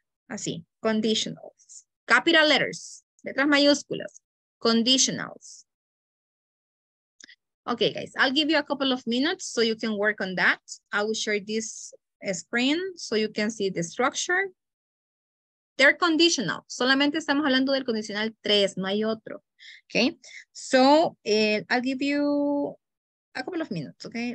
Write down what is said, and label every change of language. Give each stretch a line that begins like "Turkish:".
English: Así, conditionals. Capital letters,
Spanish: letras mayúsculas,
English: conditionals. Okay, guys, I'll give you a couple of minutes so you can work on that. I will share this screen so you can see the structure. They're conditional.
Spanish: Solamente estamos hablando del condicional 3, no hay otro.
English: Okay, so I'll give you a couple of minutes, okay?